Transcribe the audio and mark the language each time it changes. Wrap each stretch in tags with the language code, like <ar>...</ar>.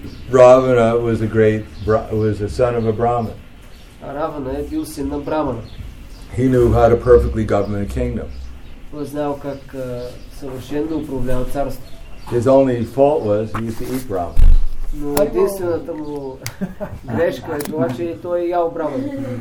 <en>Ravana was a great, was a son of a Brahmin.</en> <bg>Ravana е бил син на Брамана.</bg> <en>He knew how to perfectly govern a kingdom.</en> <bg>Той знал как съвършено управлява царство.</bg> <en>His only fault was he used to eat Brahmin.</en> <bg>Но единствената му грешка е това, че той е ял брамани.</bg>